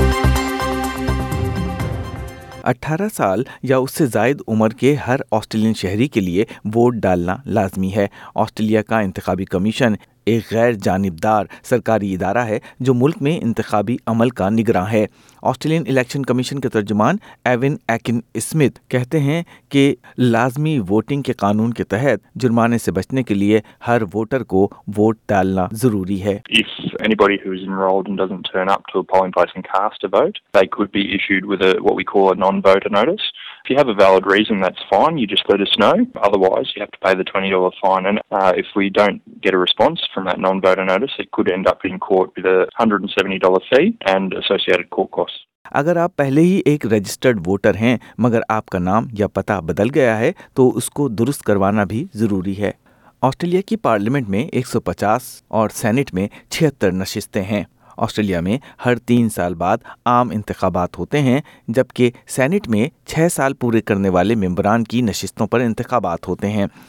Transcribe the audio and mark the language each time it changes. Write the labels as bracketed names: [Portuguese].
[Urdu] اٹھارہ سال یا اس سے زائد عمر کے ہر آسٹریلین شہری کے لیے ووٹ ڈالنا لازمی ہے۔ آسٹریلیا کا انتخابی کمیشن ایک غیر جانبدار سرکاری ادارہ ہے جو ملک میں انتخابی عمل کا نگراں ہے۔ آسٹریلین الیکشن کمیشن کے ترجمان ایون ایکن اسمتھ کہتے ہیں کہ لازمی ووٹنگ کے قانون کے تحت جرمانے سے بچنے کے لیے ہر ووٹر کو ووٹ ڈالنا ضروری ہے۔ [English] If anybody who is enrolled and doesn't turn up to a polling place and cast a vote, they could be issued with a what we call a non-voter notice. If you have a valid reason, that's fine, you just let us know. Otherwise, you have to pay the $20 fine, and if we don't get a response from that non-voter notice, it could end up in court with a $170 fee and associated court costs. [Urdu] اگر آپ پہلے ہی ایک registered voter ہیں مگر آپ کا نام یا پتہ بدل گیا ہے تو اس کو درست کروانا بھی ضروری ہے۔ آسٹریلیا کی پارلیمنٹ میں 150 اور سینٹ میں 76 نشستیں ہیں۔ آسٹریلیا میں ہر 3 سال بعد عام انتخابات ہوتے ہیں، جبکہ سینٹ میں 6 سال پورے کرنے والے ممبران کی نشستوں پر انتخابات ہوتے ہیں،